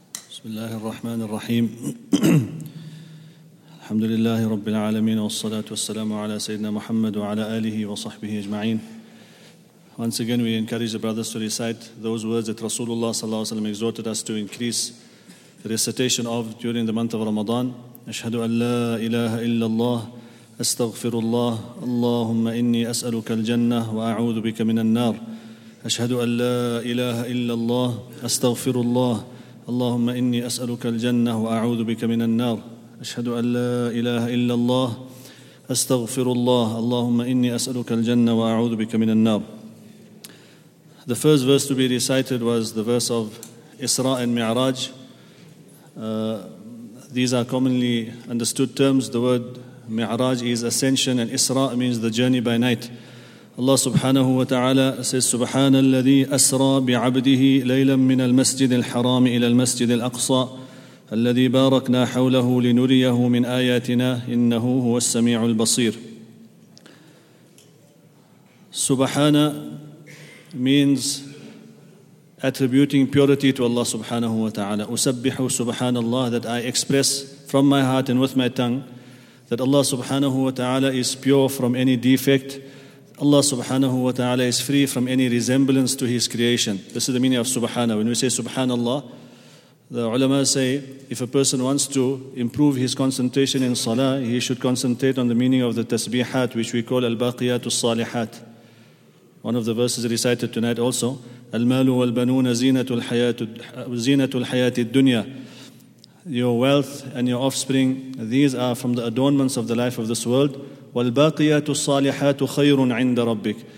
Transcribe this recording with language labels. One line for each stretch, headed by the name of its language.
Arabic: بسم الله الرحمن الرحيم الحمد لله رب العالمين والصلاة والسلام على سيدنا محمد وعلى آله وصحبه أجمعين.
English: Once again, we encourage the brothers to recite those words that Rasulullah
Arabic: صلى الله عليه وسلم
English: exhorted us to increase the recitation of during the month of Ramadan.
Arabic: أشهد أن لا إله إلا الله أستغفر الله اللهم إني أسألك الجنة وأعوذ بك من النار. أشهد أن لا إله إلا الله أستغفر الله اللهم إني أسألك الجنة وأعوذ بك من النار. أشهد أن لا إله إلا الله أستغفر الله اللهم إني أسألك الجنة وأعوذ بك من النار.
English: The first verse to be recited was the verse of إسراء المعراج. These are commonly understood terms. The word معراج is ascension, and إسراء means the journey by night. Allah subhanahu wa ta'ala says,
Arabic: سبحان الذي أسرى بعبده ليلا من المسجد الحرام إلى المسجد الأقصى الذي باركنا حوله لنريه من آياتنا إنه هو السميع البصير.
English: سبحان means attributing purity to Allah subhanahu wa ta'ala.
Arabic: أسبح سبحان الله,
English: that I express from my heart and with my tongue that Allah subhanahu wa ta'ala is pure from any defect. Allah subhanahu wa ta'ala is free from any resemblance to His creation. This is the meaning of subhana. When we say subhanallah, the ulama say if a person wants to improve his concentration in salah, he should concentrate on the meaning of the tasbihat, which we call al-baqiyat al-salihat. One of the verses recited tonight also,
Arabic: al-malu wal-banuna zinatul hayatid dunya.
English: Your wealth and your offspring, these are from the adornments of the life of this world.
Arabic: والباقيات الصالحات خير عند ربك.